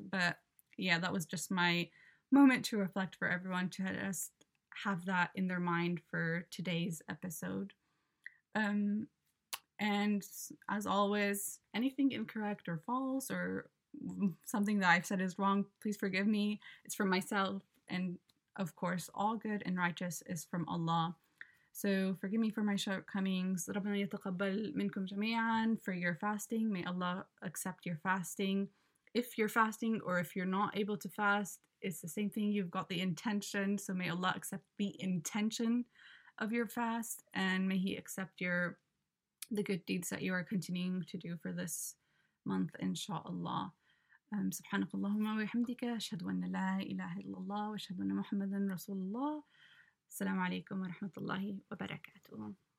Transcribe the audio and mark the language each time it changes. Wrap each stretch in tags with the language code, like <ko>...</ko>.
<en>But yeah, that was just my moment to reflect for everyone to just have that in their mind for today's episode. And as always, anything incorrect or false or something that I've said is wrong, please forgive me. It's from myself, and of course all good and righteous is from Allah. So forgive me for my shortcomings.</en> <ar>رَبَّنَا يَتَقَبَّلْ مِنْكُمْ جَمِيعًا</ar> <en>for your fasting. May Allah accept your fasting. If you're fasting or if you're not able to fast, it's the same thing. You've got the intention. So may Allah accept the intention of your fast, and may He accept the good deeds that you are continuing to do for this month, inshallah.</en> <ar>سبحانك اللهم وبحمدك أشهد أن لا إله إلا الله وأشهد أن محمدا رسول الله. السلام عليكم ورحمة الله وبركاته.</ar>